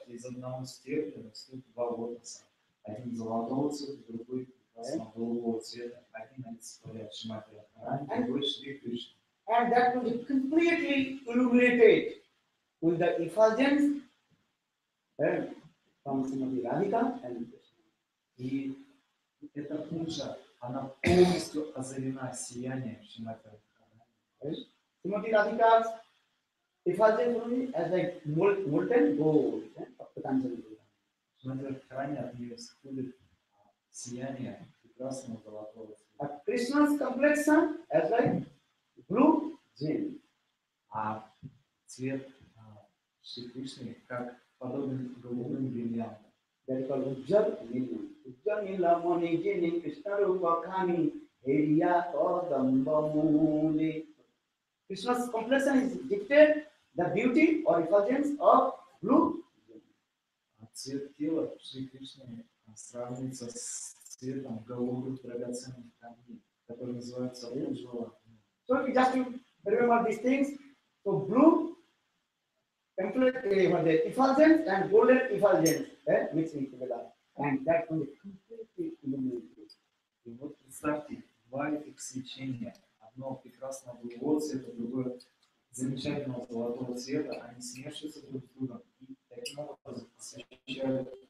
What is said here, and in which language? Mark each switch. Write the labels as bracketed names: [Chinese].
[Russian] из одного стебля растут два лотоса. Один золотого цвета, другой золотого цвета. Один олицетворяет Шримати Радхарани, другой Шри Кришна. [English] And that will be completely illuminated with the effulgence from Srimati Radhika and Krishna. [Russian] И эта пуджа, она полностью озарена сиянием Шримати Радхарани. [English] Srimati Radhika's effulgence will be as like molten gold, of Patanjali Buddha. [Russian] Srimati Radhakarani от нее исходит сияние прекрасного золотого цвета. [English] А Krishna's complexion as like blue gem. [Russian] А цвет Шри Кришны как подобен голубым бриллиантам. [English] That is called Ujjal Nila. Ujjal Nila Mani Jini Krishna Rupa Khani Heriya Kodamba Mune. Krishna's complexion is dictated the beauty or effulgence of blue. [Russian] А цвет тела Шри Кришны сравнится с цветом голубых драгоценных камней, которые называются Ujjala. [English] So if you just remember these things, so blue effulgence and golden effulgence mixing together. And that will be completely illuminated. [Russian] И вот представьте, два этих свечения, одно прекрасного голубого цвета, другое замечательного золотого цвета, они смешиваются друг с другом и таким образом освещают.